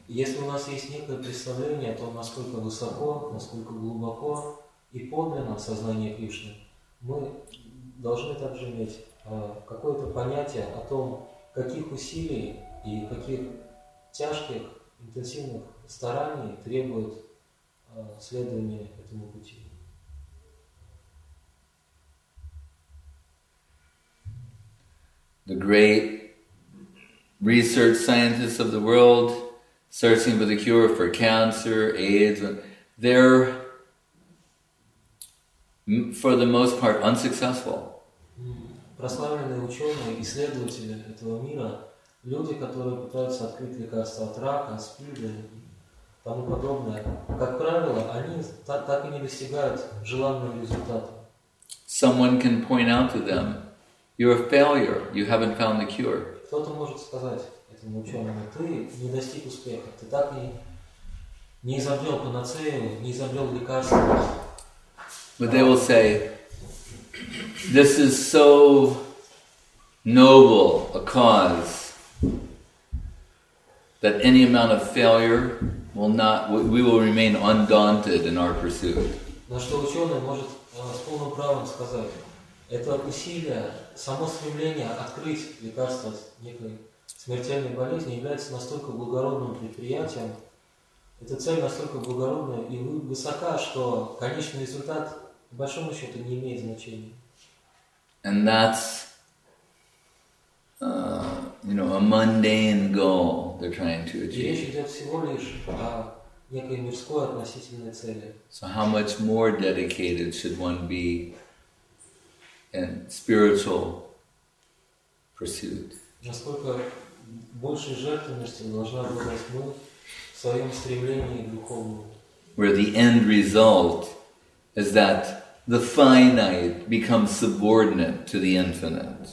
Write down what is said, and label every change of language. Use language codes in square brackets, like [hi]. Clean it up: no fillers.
[ru] Если у нас есть некое представление о том, насколько высоко, насколько глубоко и подлинно сознание Кришны, мы должны также иметь какое-то понятие о том, каких усилий и каких тяжких, интенсивных стараний требует следование этому пути. [en] The great research scientists of the world searching for the cure for cancer, AIDS, they're for the most part unsuccessful. [ru] Прославленные ученые, исследователи этого мира, люди, которые пытаются открыть лекарства от рака, СПИДа и тому подобное, как правило, они так и не достигают желанного результата. [en] Someone can point out to them, you're a failure, you haven't found the cure. [ru] Кто-то может сказать этому ученому, ты не достиг успеха, ты так и не изобрел панацею, не изобрел лекарства. [en] But they will say, this is so noble a cause that any amount of failure will not, we will remain undaunted in our pursuit. [ru] На что ученый может с полным правом сказать, это усилие, само стремление открыть лекарство некой смертельной болезни является настолько благородным предприятием, эта цель настолько благородная и высока, что конечный результат по большому счету не имеет значения. [en] And that's, you know, a mundane goal they're trying to achieve. [ru] Речь идет всего лишь о некой мирской относительной цели. [en] So how much more dedicated should one be in spiritual pursuit? [ru] Насколько больше жертвенности должна быть мы в своем стремлении к духовному? [en] Where the end result is that the finite becomes subordinate to the infinite.